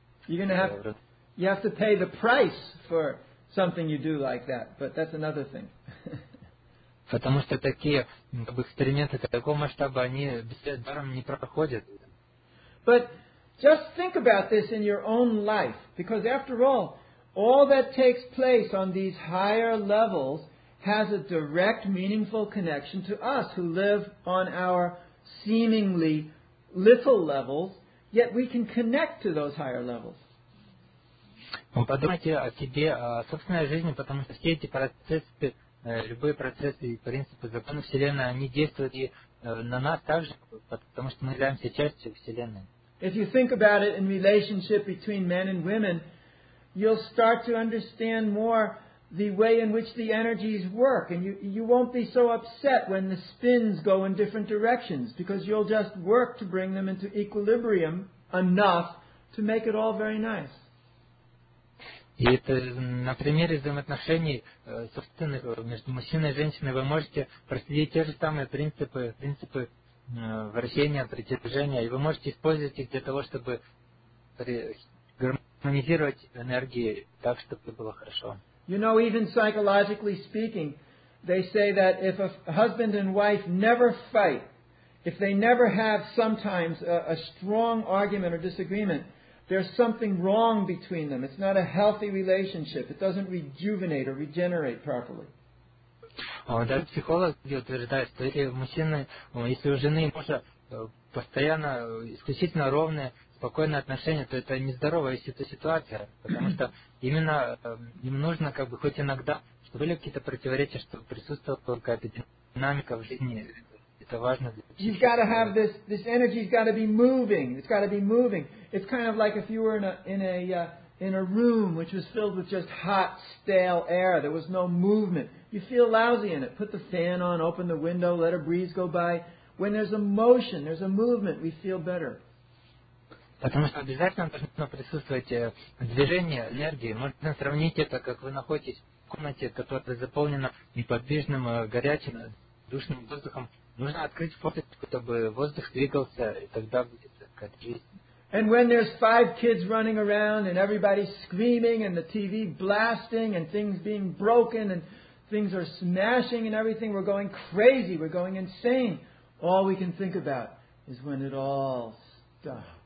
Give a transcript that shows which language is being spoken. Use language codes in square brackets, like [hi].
[en] You have to pay the price for something you do like that, but that's another thing. [ru] Потому что такие как бы, эксперименты такого масштаба, они даром не проходят. [en] But just think about this in your own life. Because after all that takes place on these higher levels has a direct, meaningful connection to us who live on our seemingly little levels, yet we can connect to those higher levels. [ru] Подумайте о себе, о собственной жизни, потому что все эти процессы, любые процессы и принципы закона Вселенной, они действуют и на нас также, потому что мы являемся частью Вселенной. [en] If you think about it in relationship between men and women, you'll start to understand more the way in which the energies work, and you won't be so upset when the spins go in different directions, because you'll just work to bring them into equilibrium enough to make it all very nice. [ru] И это на примере взаимоотношений собственно, между мужчиной и женщиной вы можете проследить те же самые принципы вращения, притяжения, и вы можете использовать их для того, чтобы гармонизировать энергии так, чтобы было хорошо. [en] You know, even psychologically speaking, they say that if a husband and wife never fight, if they never have sometimes a strong argument or disagreement, there's something wrong between them. It's not a healthy relationship. It doesn't rejuvenate or regenerate properly. [ru] Да, психологи утверждают, что если мужчина, если у жены и мужа постоянно исключительно ровные, спокойные отношения, то это нездоровая ситуация, потому что именно им нужно как бы хоть иногда, чтобы были какие-то противоречия, чтобы присутствовала какая-то динамика в жизни. Это важно. [en] You've got to have this energy's got to be moving. It's got to be moving. It's kind of like if you were in a room which was filled with just hot, stale air. There was no movement. You feel lousy in it. Put the fan on, open the window, let a breeze go by. When there's a motion, there's a movement, we feel better. [ru] Потому что обязательно должно присутствовать движение энергии. Можно сравнить это, как вы находитесь в комнате, которая заполнена неподвижным, горячим, душным воздухом. Нужно открыть форточку, чтобы воздух двигался, и тогда будет какая-то жизнь. [en] And when there's five kids running around and everybody's screaming and the TV blasting and things being broken and things are smashing and everything, we're going crazy, we're going insane. All we can think about is when it all stops.